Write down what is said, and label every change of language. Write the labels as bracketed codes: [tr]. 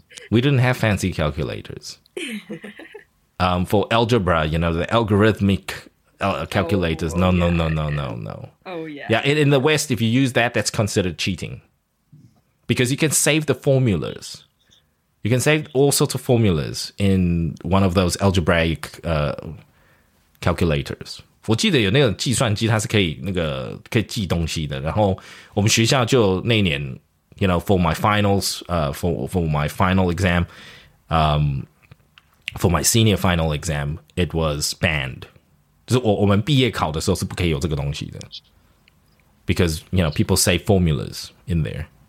[en] We didn't have fancy calculators. For algebra, you know, the algorithmic calculators. Oh, no. Oh, yeah. Yeah, in the West, if you use that, that's considered cheating. Because you can save the formulas. You can save all sorts of formulas in one of those algebraic calculators. [zh] 我记得有那个计算机，它是可以那个可以记东西的。然后我们学校就那年 [en] ，you know, for my finals, for my final exam, for my senior final exam, it was banned. [zh] 就是我们毕业考的时候是不可以有这个东西的 ， [en] because you know people save formulas in there.